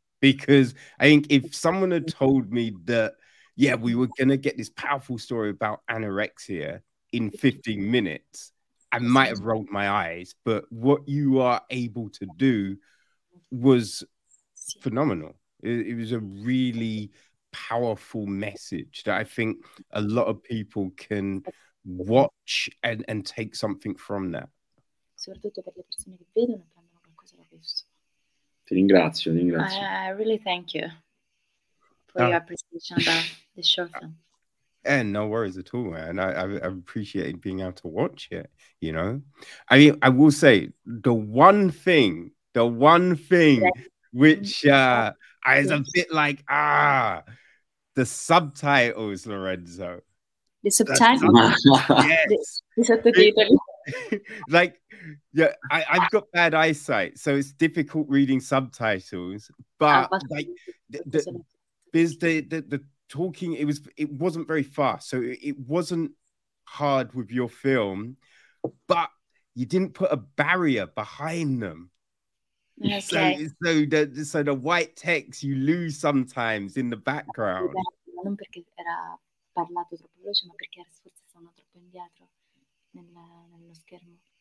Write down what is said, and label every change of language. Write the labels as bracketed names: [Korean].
[English] Because I think if someone had told me that, yeah, we were gonna get this powerful story about anorexia in 15 minutes, I might have rolled my eyes, but what you are able to do was phenomenal. It was a really powerful message that I think a lot of people can watch and take something from that. [Italian] Soprattutto per le persone che vedono e prendono qualcosa da questo. Ti ringrazio. [English] I really thank you for your Ah. appreciation about the short film. And no worries at all, man. I appreciate being able to watch it, you know. I mean, I will say the one thing which I was a bit like, the subtitles, Lorenzo. The subtitle? Yes. The Yeah, I've got bad eyesight, so it's difficult reading subtitles, Ah, but but like the talking, it wasn't very fast, so it wasn't hard with your film, but you didn't put a barrier behind them. Okay. So the white text you lose sometimes in the background. [Italian] Non perché era parlato troppo veloce, ma perché forse sono troppo indietro nello schermo.